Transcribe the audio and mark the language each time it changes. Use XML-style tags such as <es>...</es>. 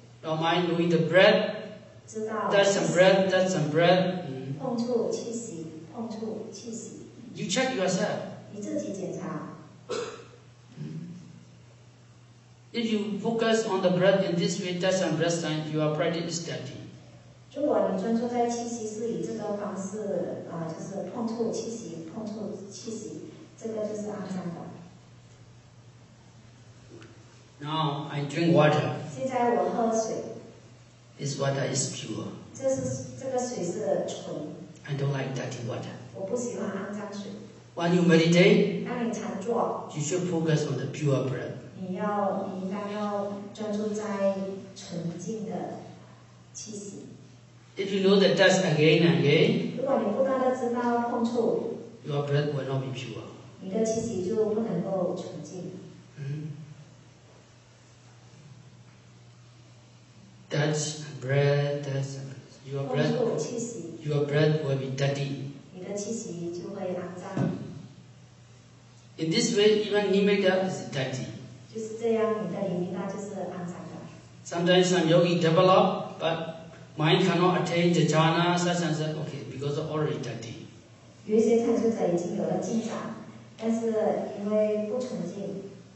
<en>Your mind knowing the breath, touch some breath, touch some breath.</en> <zh>碰触气息，碰触气息。</zh> <en>You check yourself.</en> <zh>你自己检查。</zh> <en>If you focus on the breath in this way, touch some breath sign, you are pretty steady.</en> <zh>如果你专注在气息，是以这个方式啊，就是碰触气息，碰触气息，这个就是肮脏的。</zh> <en>Now I drink water.</en> <zh>现在我喝水。</zh> <en>This water is pure.</en> <zh>这个水是纯。</zh> <en>I don't like dirty water.</en> <zh>我不喜欢肮脏水。</zh> <en>When you meditate,</en> <zh>当你禅坐</zh> <en>you should focus on the pure breath.</en> <zh>你应该要专注在纯净的气息。</zh> <en>If you know the touch again and again,</en> <zh>如果你不断的知道碰触</zh> <en>your breath will not be pure.</en> <zh>你的气息就不能够纯净。</zh> <en>Touch and breath, touch and breath. Your breath,</en> <zh>碰触气息,</zh> <en>your breath will be dirty.</en> <zh>你的气息就会肮脏。</zh> <en>In this way, even nimitta is dirty.</en> <zh>就是这样，你的nimitta就是肮脏的。</zh> <en>Sometimes some yogi develop, but mind cannot attain the jhana, such and such, okay, because already dirty.</en> <zh>有些禅修者已经有了进展，但是因为不纯净，</zh>